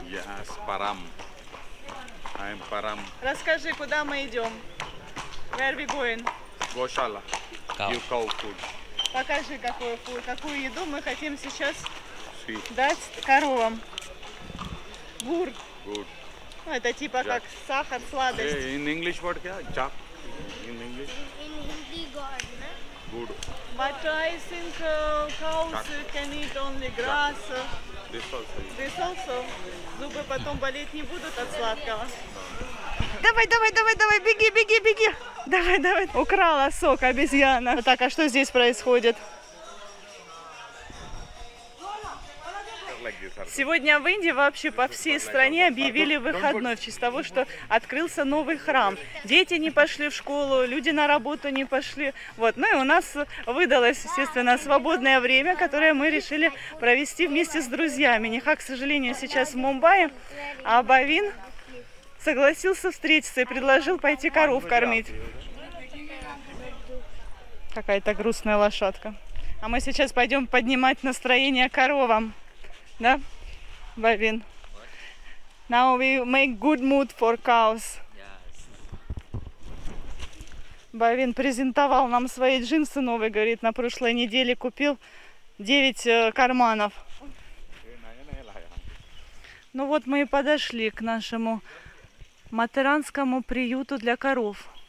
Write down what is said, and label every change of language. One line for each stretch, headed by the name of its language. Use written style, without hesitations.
Russian: Я с Парам.
English: I'm
Russian: Парам. Расскажи, куда мы идем?
English: Where are we going? Гошала. You call food.
Russian: Покажи, какую еду мы хотим сейчас дать коровам.
Hindi: Гур. Гур.
Russian: Ну, это типа Jack. Как сахар, сладость.
English: Hey, in English word, what? Yeah? Jack. In English? In Hindi, God. Good. But I think cows can eat only grass. Jack. This also?
Russian: Зубы потом болеть не будут от сладкого. Давай, беги. Давай. Украла сок обезьяна. Так, а что здесь происходит? Сегодня в Индии вообще по всей стране объявили выходной в честь того, что открылся новый храм. Дети не пошли в школу, люди на работу не пошли. Вот. Ну и у нас выдалось, естественно, свободное время, которое мы решили провести вместе с друзьями. Неха, к сожалению, сейчас в Мумбаи, а Бавин согласился встретиться и предложил пойти коров кормить. Какая-то грустная лошадка. А мы сейчас пойдем поднимать настроение коровам. Да, Бавин? What?
English: Now we make good mood for cows. Yes.
Russian: Бавин презентовал нам свои джинсы новые, говорит, на прошлой неделе купил 9 карманов. Ну вот мы и подошли к нашему материнскому приюту для коров.